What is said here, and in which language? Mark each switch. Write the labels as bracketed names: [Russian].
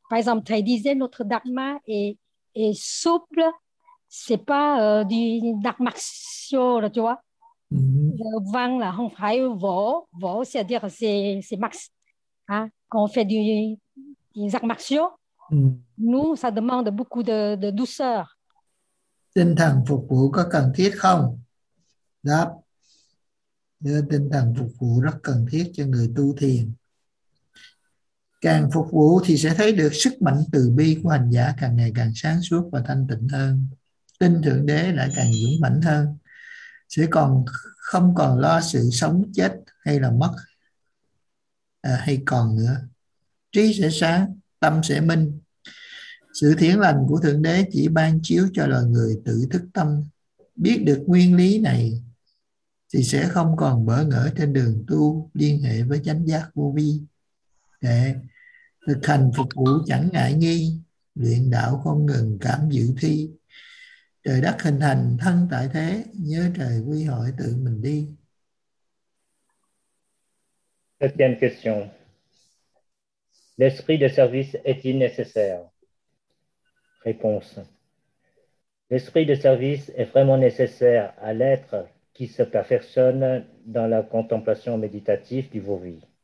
[French] Par exemple, tu disais notre dharma est souple, ce n'est pas du dharma martial, tu vois. Vang, là, on fait vo, c'est-à-dire c'est max. Hein, quand on fait des arts martiaux, nous, ça demande beaucoup de douceur. [Vietnamese] Tinh thần phục vụ có cần thiết không? Đáp. Tinh thần phục vụ rất cần thiết cho người tu thiền. Càng phục vụ thì sẽ thấy được sức mạnh từ bi của hành giả càng ngày càng sáng suốt và thanh tịnh hơn. Tinh Thượng Đế lại càng dũng mãnh hơn. Sẽ còn không còn lo sự sống chết hay là mất hay còn nữa. Trí sẽ sáng, tâm sẽ minh. Sự thiện lành của Thượng Đế chỉ ban chiếu cho loài người tự thức tâm. Biết được nguyên lý này thì sẽ không còn bỡ ngỡ trên đường tu liên hệ với chánh giác vô vi. Để thực hành phục vụ chẳng ngại nghi, luyện đạo không ngừng cảm dự thi. Trời đất hình thành thân tại thế, nhớ trời quy hội tự mình đi. [French] Septième question. L'esprit de service est-il nécessaire? Réponse. L'esprit de service est vraiment nécessaire à l'être qui se perfectionne dans la contemplation méditative du Vovi.